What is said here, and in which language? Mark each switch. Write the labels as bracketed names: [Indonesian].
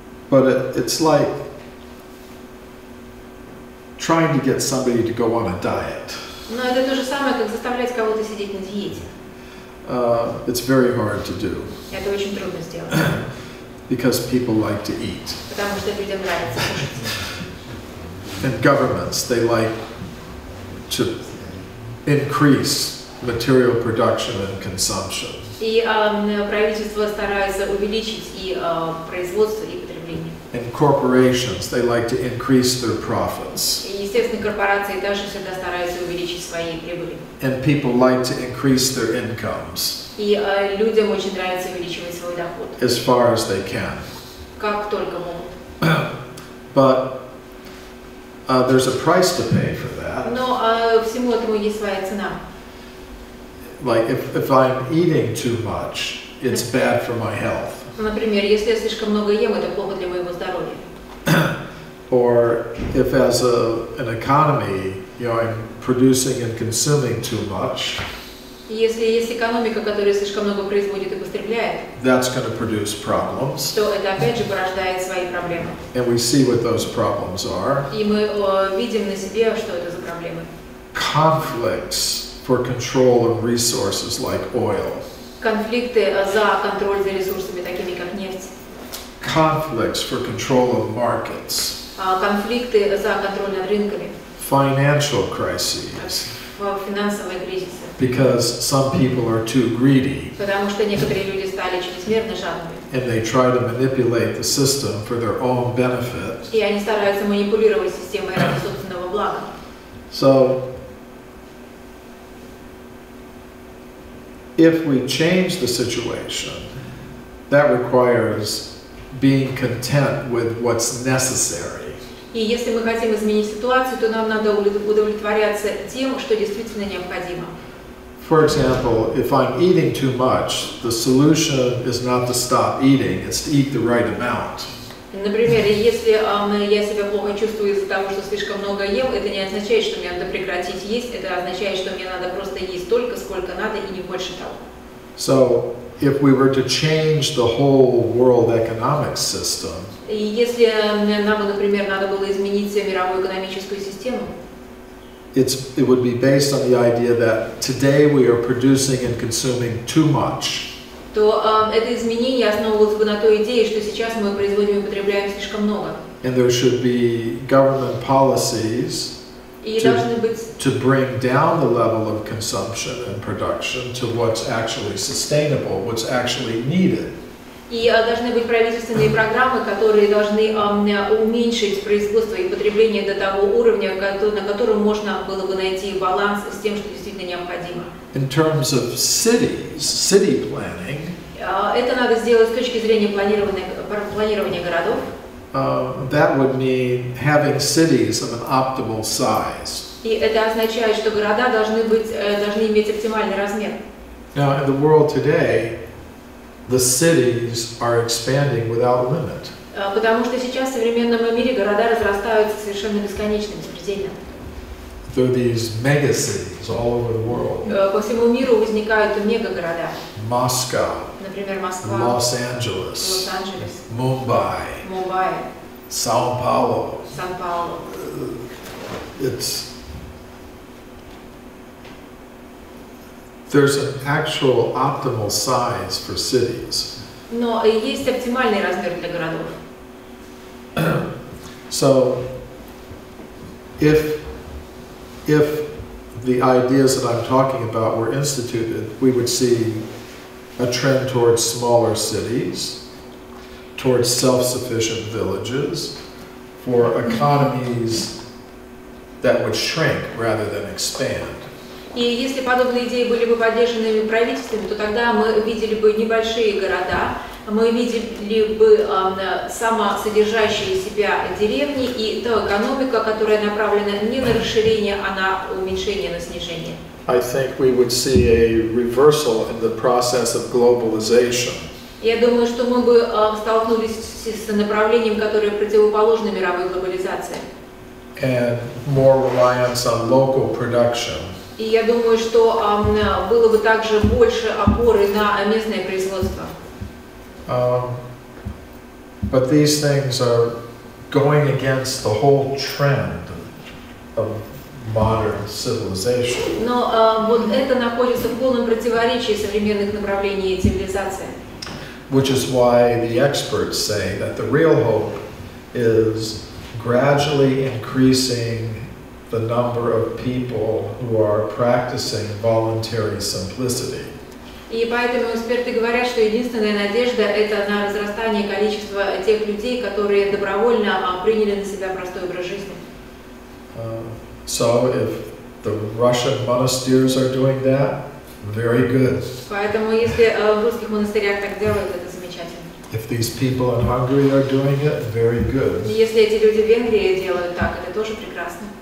[English] But it's like trying to get somebody to go on a diet. [Russian] Но это то же самое, как заставлять кого-то сидеть на диете. [English] It's very hard to do. [Russian] Это очень трудно сделать. [English] Because people like to eat. [Russian] Потому что людям нравится. [English] And governments, they like to increase material production and consumption. [Russian] И правительство старается увеличить и производство, и потребление. [English] And corporations, they like to increase their profits. [Russian] Естественно, корпорации даже всегда стараются увеличить свои прибыли. [English] And people like to increase their incomes. [Russian] И людям очень нравится увеличивать свой доход. [English] As far as they can. [Russian] Как только могут. [English] But there's a price to pay for that. [Russian] Но всему этому есть своя цена. [English] Like if I'm eating too much, it's bad for my health. [Russian] Например, если я слишком много ем, это плохо для моего здоровья. [English] Or if as a, an economy, you know, I'm producing and consuming too much. [Russian] Если есть экономика, которая слишком много производит и потребляет. [English] That's going to produce problems. [Russian] То это опять же порождает свои проблемы. [English] And we see what those problems are. [Russian] И мы видим на себе, что это за проблемы. [English] Conflicts for control of resources like oil. [Russian] Конфликты за контроль за ресурсами, такими как нефть. [English] Conflicts for control of markets. [Russian] Конфликты за контроль над рынками. [English] Financial crises. [Russian] Финансовые кризисы. [English] Because some people are too greedy. [Russian] Потому что некоторые люди стали чрезмерно жадными. [English] And they try to manipulate the system for their own benefit. [Russian] И они стараются манипулировать системой ради собственного блага. [English] So, if we change the situation, that requires being content with what's necessary. [Russian] И если мы хотим изменить ситуацию, то нам надо удовлетворяться тем, что действительно необходимо. [English] For example, if I'm eating too much, the solution is not to stop eating, it's to eat the right amount. [Russian] Например, если я себя плохо чувствую из-за того, что слишком много ем, это не означает, что мне надо прекратить есть, это означает, что мне надо просто есть столько, сколько надо, и не больше того. [English] So, if we were to change the whole world economic system, [Russian] и если нам, например, надо было изменить мировую экономическую систему, [English] It would be based on the idea that today we are producing and consuming too much. [Russian] То это изменение основывалось бы на той идее, что сейчас мы производим и потребляем слишком много. [English] And there should be government policies to bring down the level of consumption and production to what's actually sustainable, what's actually needed. [Russian] И должны быть правительственные программы, которые должны уменьшить производство и потребление до того уровня, на котором можно было бы найти баланс с тем, что действительно необходимо. [English] In terms of cities, city planning, [Russian] это надо сделать с точки зрения планирования городов. [English] That would mean having cities of an optimal size. [Russian] И это означает, что города должны иметь оптимальный размер. [English] Now, in the world today, the cities are expanding without limit. [Russian] Потому что сейчас в современном мире города разрастаются совершенно бесконечным запределом. [English] There are these mega cities all over the world. [Russian] По всему миру возникают мегагорода. [English] Moscow. [Russian] Например, Москва. Лос-Анджелес. Мумбай. Сан-Пауло. Сан-Пауло. [English] There's an actual optimal size for cities. [Russian] Но есть оптимальный размер для городов. [English] So, if the ideas that I'm talking about were instituted, we would see a trend towards smaller cities, towards self-sufficient villages, for economies that would shrink rather than expand. [Russian] И если подобные идеи были бы поддержаны правительствами, то тогда мы видели бы небольшие города, мы видели бы самосодержащие себя деревни и та экономика, которая направлена не на расширение, а на уменьшение, на снижение. [English] I think we would see a reversal in the process of globalization. [Russian] Я думаю, что мы бы столкнулись с направлением, которое противоположно мировой глобализации. [English] And more reliance on local production. [Russian] И я думаю, что было бы также больше опоры на местное производство. [English] But these things are going against the whole trend of modern civilization. [Russian] Но вот это находится в полном противоречии современных направлений цивилизации. [English] Which is why the experts say that the real hope is gradually increasing the number of people who are practicing voluntary simplicity. [Russian] И поэтому эксперты говорят, что единственная надежда это на возрастание количества тех людей, которые добровольно приняли на себя простой образ жизни. [English] So if the Russian monasteries are doing that, very good. [Russian] Поэтому если в русских монастырях так делают, это замечательно. [English] If these people in Hungary are doing it, very good. [Russian] Если эти люди в Венгрии делают так, это тоже прекрасно.